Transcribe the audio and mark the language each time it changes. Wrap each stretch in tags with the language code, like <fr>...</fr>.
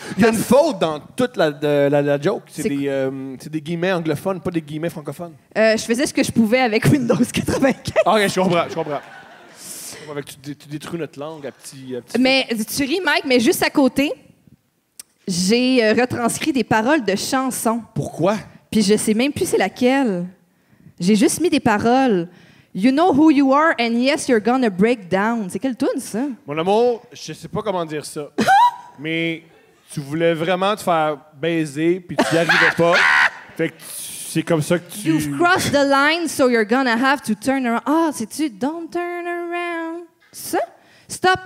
<fr>Il y a une faute dans toute la joke. C'est des guillemets anglophones, pas des guillemets francophones. Je faisais ce que je pouvais avec Windows 95. OK, je comprends. Avec, tu détruis notre langue à petit. Mais tu ris, Mike, mais juste à côté, j'ai retranscrit des paroles de chansons. Pourquoi? Puis je sais même plus c'est laquelle. J'ai juste mis des paroles.</fr> <en>You know who you are and yes, you're gonna break down.</en> <fr>C'est quelle toune, ça? Mon amour, je sais pas comment dire ça. Mais tu voulais vraiment te faire baiser puis tu y arrivais pas. Fait que c'est comme ça que tu...</fr> <en>You've crossed the line, so you're gonna have to turn around.</en> <fr>Ah, oh, c'est-tu?</fr> <en>Don't turn around.</en> <fr>C'est ça?</fr> <en>Stop.</en>